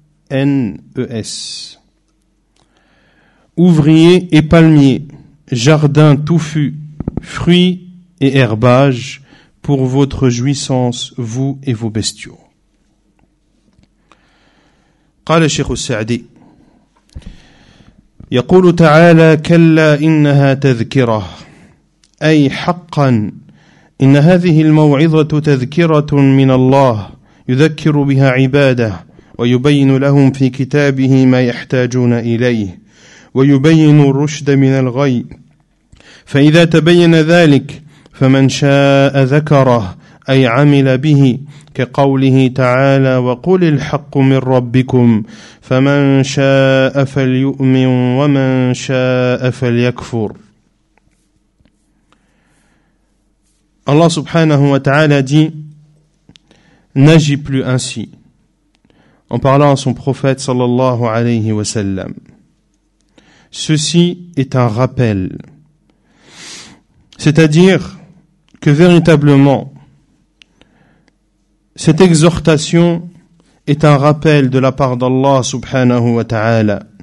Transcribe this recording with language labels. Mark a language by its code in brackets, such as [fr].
[fr] L-U-Z-E-R-N-E-S. Ouvrier et palmier, jardin touffu, fruits et herbages pour votre jouissance, vous et vos bestiaux. [ar] قال الشيخ السعدي يقول تعالى كلا إنها تذكرة أي حقا إن هذه الموعظة تذكرة من الله يذكر بها عباده ويبين لهم في كتابه ما يحتاجون إليه ويبين الرشد من الغي فإذا تبين ذلك فمن شاء ذكره أي عمل به كقوله تعالى وقل الحق من ربكم فمن شاء فليؤمن ومن شاء فليكفر. الله سبحانه وتعالى [fr] dit n'agis plus ainsi, en parlant à son prophète [ar] sallallahu alayhi wa sallam. [fr] Ceci est un rappel. C'est-à-dire que véritablement, cette exhortation est un rappel de la part d'Allah subhanahu wa ta'ala.